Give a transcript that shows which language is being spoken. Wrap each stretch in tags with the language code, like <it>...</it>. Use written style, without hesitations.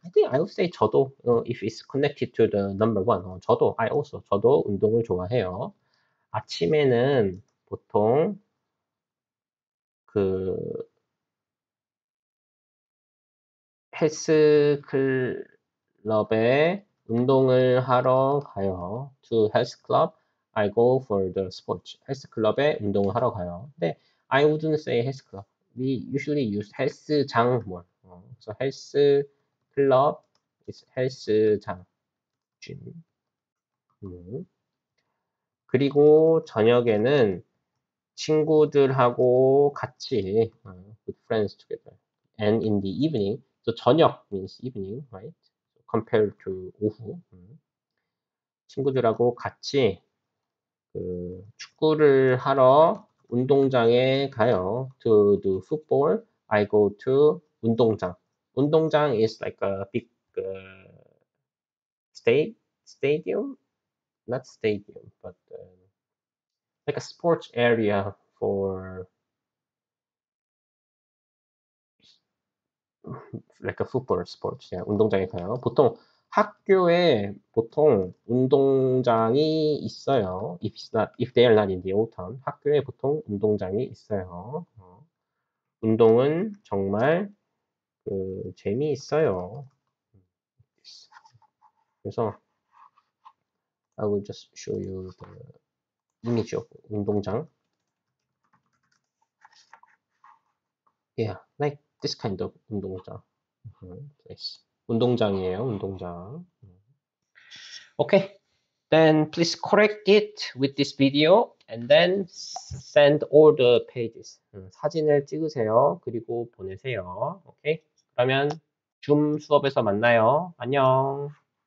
<en>I think I would say 저도, if it's connected to the number one.</en> <ko>저도,</ko> <en>I also,</en> <ko>저도 운동을 좋아해요. 아침에는 보통 그 헬스 클럽에 운동을 하러 가요.</ko> <en>To health club, I go for the sports.</en> <ko>헬스 클럽에 운동을 하러 가요.</ko> <en>근데 I wouldn't say 헬스 클럽. We usually use 헬스장 more. So 헬스 클럽 is 헬스장. Gym.</en> <ko>그리고 저녁에는 친구들하고 같이</ko> <en>with friends together. And in the evening, so 저녁 means evening, right? Compared to 오후.</en> <ko>친구들하고 같이 축구를 하러 운동장에 가요.</ko> <en>To do football, I go to 운동장. 운동장 is like a big stadium? Not stadium, but like a sports area for like a football sports.</en> <ko>Yeah, 운동장에 가요. 보통 학교에 보통 운동장이 있어요.</ko> <en>If they are not in the old town,</en> <ko>학교에 보통 운동장이 있어요. 운동은 정말 재미있어요.</ko> <en>그래서 I will just show you the image of 운동장. Yeah, like this kind of 운동장. Place.</en> <ko>운동장이에요, 운동장.</ko> <en>Okay, then please correct it with this video and then send all the pages.</en> <ko>사진을 찍으세요. 그리고 보내세요. Okay? 그러면 줌 수업에서 만나요. 안녕.</ko>